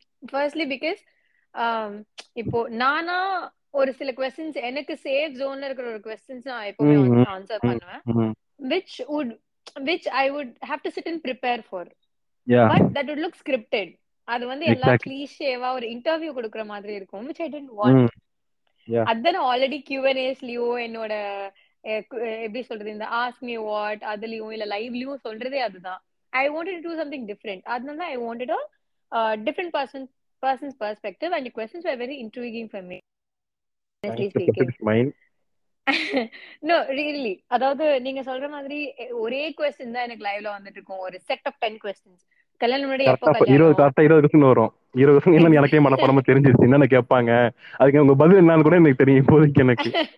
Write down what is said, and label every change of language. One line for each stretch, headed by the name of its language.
Tamil: Firstly because இப்போ நானா ஒரு சில க்வெஸ்சன்ஸ் எனக்கு சேஃப் ஜோன்ல இருக்கிற ஒரு க்வெஸ்சன்ஸ் நான் எப்பவுமே வந்து ஆன்சர் பண்ணுவேன்
English: which I would have to sit and prepare for. Yeah. But that would look scripted.
Tamil: அது வந்து எல்லா க்ளீஷேவா ஒரு இன்டர்வியூ கொடுக்குற மாதிரி இருக்கும்
English: which I didn't want. Yeah.
Tamil: அது தான் ஆல்ரெடி Q&A's லியோ என்னோட எப்படி சொல்றது இந்த
English: ask me what
Tamil: அதுலயும் இல்ல லைவ்லயும் சொல்றதே அதுதான்.
English: I wanted to do something different.
Tamil: அதனால
English: I wanted a different person's perspective and the questions were very intriguing for me. Honestly speaking. No, really.
Tamil: அதாவது நீங்க சொல்ற மாதிரி ஒரே க்வெஸ்சன் தான் எனக்கு லைவ்ல வந்துட்டு இருக்கும். ஒரு செட் ஆஃப் 10 க்வெஸ்சன்ஸ் கல்யாணம் முன்னாடி எப்ப கல்யாணம் வரும் 20 வருஷம் எனக்கே மனப்பாடமா தெரிஞ்சிருச்சு என்ன கேட்பாங்க, அதுக்கு உங்க பதில் என்னன்னு கூட எனக்கு தெரியும் இப்போதைக்கு எனக்கு.